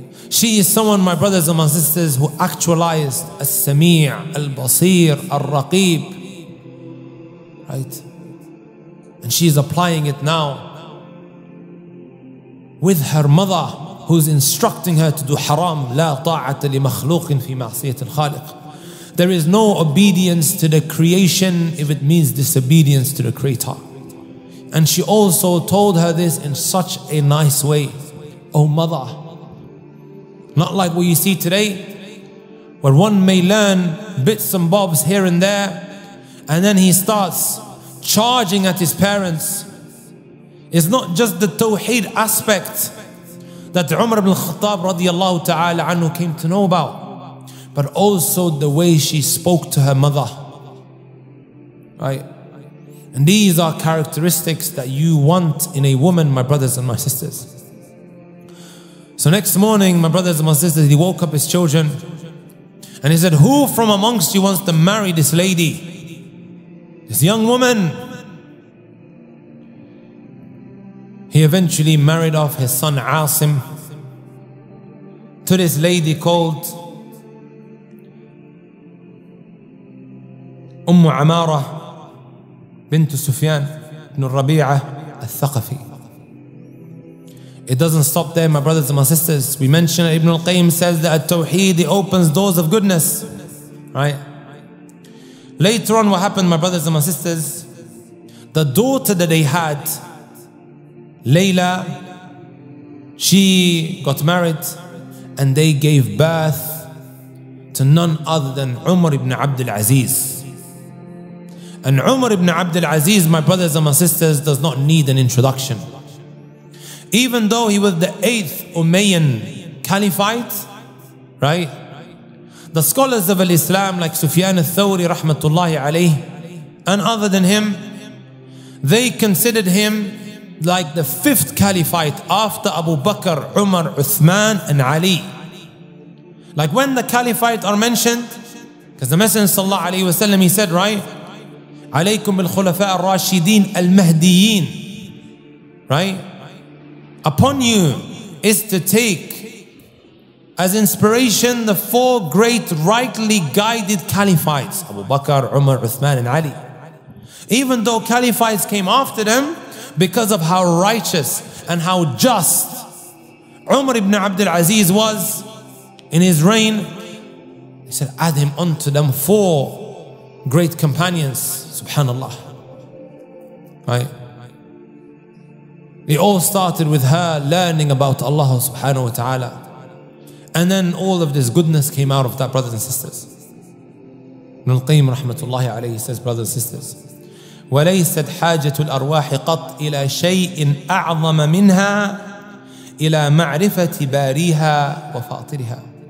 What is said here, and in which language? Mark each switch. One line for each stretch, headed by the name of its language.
English: She is someone, my brothers and my sisters, who actualized as-sami' al-basir al-raqib. Right. And she is applying it now with her mother, who's instructing her to do haram.
Arabic: لا طاعة لمخلوق في معصية الخالق.
English: There is no obedience to the creation if it means disobedience to the Creator. And she also told her this in such a nice way. Oh mother, not like what you see today, where one may learn bits and bobs here and there, and then he starts charging at his parents. It's not just the tawheed aspect that Umar ibn al-Khattab radiallahu ta'ala anhu came to know about, but also the way she spoke to her mother. Right? And these are characteristics that you want in a woman, my brothers and my sisters. So next morning, my brothers and my sisters, he woke up his children and he said, who from amongst you wants to marry this lady? This young woman. He eventually married off his son Asim to this lady called
Arabic: أم عمارة بنت سفيان بن الربيعة الثقفي.
English: It doesn't stop there, my brothers and my sisters. We mention Ibn al-Qayyim says that at-tawheed, it opens doors of goodness. Right? Later on, what happened, my brothers and my sisters? The daughter that they had, Layla, she got married and they gave birth to none other than Umar ibn Abd al-Aziz. And Umar ibn Abd al-Aziz, my brothers and my sisters, does not need an introduction. Even though he was the 8th Umayyan Caliphate, right? The scholars of Al-Islam like Sufyan al-Thawri rahmatullahi alayhi, and other than him, they considered him like the 5th Caliphate after Abu Bakr, Umar, Uthman and Ali. Like when the Caliphate are mentioned, because the Messenger sallallahu alayhi wa sallam, he said, right?
Arabic: عليكم بالخلفاء الراشدين المهديين, right?
English: Upon you is to take as inspiration the 4 great rightly guided caliphates, Abu Bakr, Umar, Uthman and Ali. Even though caliphates came after them because of how righteous and how just Umar ibn Abd al-Aziz was in his reign, he said, add him unto them 4 great companions. Subhanallah. Right? It all started with her learning about Allah subhanahu wa ta'ala. And then all of this goodness came out of that, brothers and sisters. Ibn al-Qayyim rahmatullahi alayhi says, brothers and sisters,
Arabic: وَلَيْسَتْ حَاجَةُ الْأَرْوَاحِ قَطْ إِلَى شَيْءٍ أَعْظَمَ مِنْهَا إِلَى مَعْرِفَةِ بَارِيهَا وَفَاطِرِهَا.